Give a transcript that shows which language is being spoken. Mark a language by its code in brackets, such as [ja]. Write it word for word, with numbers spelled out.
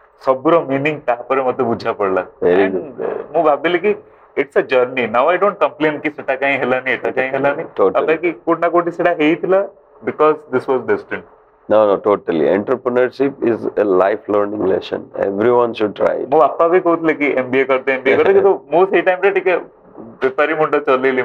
[or] ସବୁର ମିନିଂ ତାପରେ ମତେ ବୁଝା ପଡିଲା. ମୁଁ ଭାବିଲି କି [en] it's a journey, now I don't complain [or] କି ସେଟା କାହିଁ ହେଲାନି, ଏଟା କାହିଁ ହେଲାନି. ବାକି କୋଉଠି ନା କୋଉଠି ସେଟା ହେଇଥିଲା, [en] Because this was destiny. No, no, totally. Entrepreneurship is a life learning lesson. Everyone should try it. [or] ମୋ ବାପା ବି କହୁଥିଲେ କି M B A କରିଦେ, M B A କରିଦେ, କିନ୍ତୁ ମୁଁ ସେଇ ଟାଇମ୍ରେ ଟିକେ ବେପାରୀ ମୁଣ୍ଡ ଚଲେଇଲି.